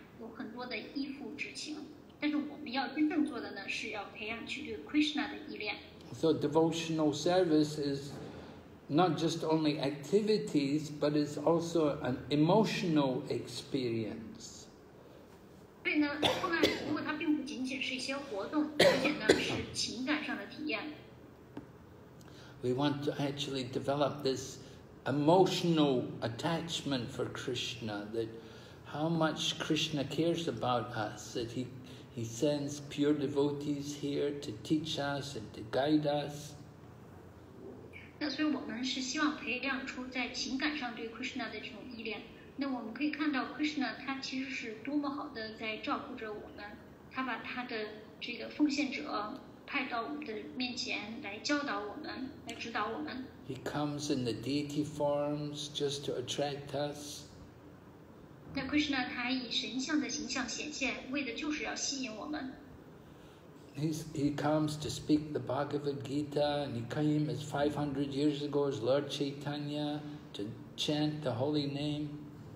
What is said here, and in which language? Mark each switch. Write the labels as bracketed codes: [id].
[zh] 有很多的依附之情，但是我们要真正做的呢，是要培养去对 Krishna 的依恋。 [en] So devotional service is not just only activities, but it's also an emotional experience. [zh] 所以呢，奉献礼物它并不仅仅是一些活动，而且呢是情感上的体验。 [en] We want to actually develop this emotional attachment for Krishna, that how much Krishna cares about us, that he sends pure devotees here to teach us and to guide us. [zh] 那所以我们是希望培养出在情感上对 Krishna 的这种依恋。那我们可以看到 Krishna 他其实是多么好的在照顾着我们，他把他的这个奉献者派到我们的面前来教导我们，来指导我们。 [en] He comes in the deity forms just to attract us. [zh] 那 Krishna 他以神像的形象显现，为的就是要吸引我们。 [en] He comes to speak the Bhagavad Gita, and he came as 500 years ago as Lord Chaitanya to chant the holy name.